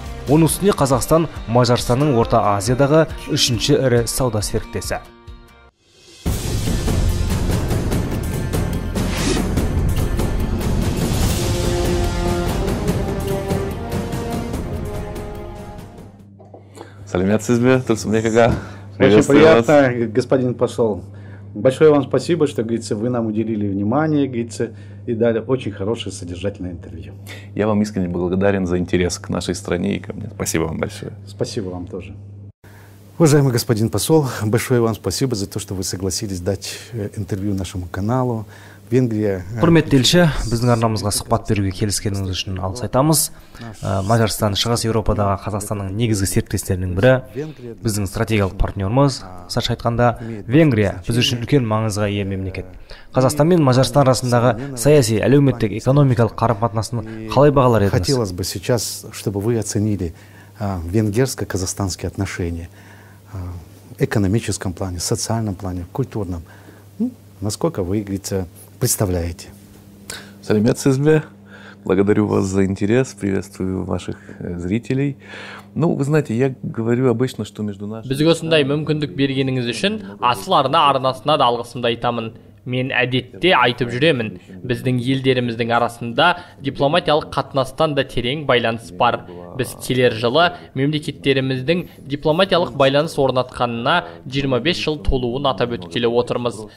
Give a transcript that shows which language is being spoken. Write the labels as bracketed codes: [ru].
[kk] Оның үстіне Қазақстан Мажарстанның Орта Азиядағы үшінші ірі сауда серіктесі. Сәлеметсіз бе, Тұрсынбек аға? [ru] Очень приятно, господин посол. Большое вам спасибо, что, говорится, вы нам уделили внимание, говорится, и дали очень хорошее содержательное интервью. Я вам искренне благодарен за интерес к нашей стране и ко мне. Спасибо вам большое. Спасибо вам тоже. Уважаемый господин посол, большое вам спасибо за то, что вы согласились дать интервью нашему каналу. [kk] Құрметті елші, біздің арнамызға сұхбат беруге келіскеніңіз үшін алғыс айтамыз. Мажарстан Шығыс Еуропадағы Қазақстанның негізгі серіктестерінің бірі, біздің стратегиялық партнерымыз. Қысқаша айтқанда, Венгрия біз үшін үлкен маңызға ие мемлекет. Қазақстан мен Мажарстан арасындағы саяси, әлеуметтік, экономикалық қарым-қатынасын қалай бағалар едіңіз? [ru] Хотелось бы сейчас, чтобы вы оценили венгерско-казахстанские отношения в экономическом плане, социальном плане, культурном. Насколько вы, говорится, представляете? [kk] Салемет Сизбе, [ru] благодарю вас за интерес, приветствую ваших зрителей. Ну, вы знаете, я говорю обычно, что между нами... [kk] Бізге осындай мүмкіндік бергеніңіз үшін асыл арнасына да алғысымды айтамын. Мен әдетте айтып жүремін, біздің елдеріміздің арасында дипломатиялық қатынастан да терең байланыс бар. Біз келер жылы мемлекеттеріміздің дипломатиялық байланыс орнатқанына 25 жыл толуын атап өткелі отырмыз.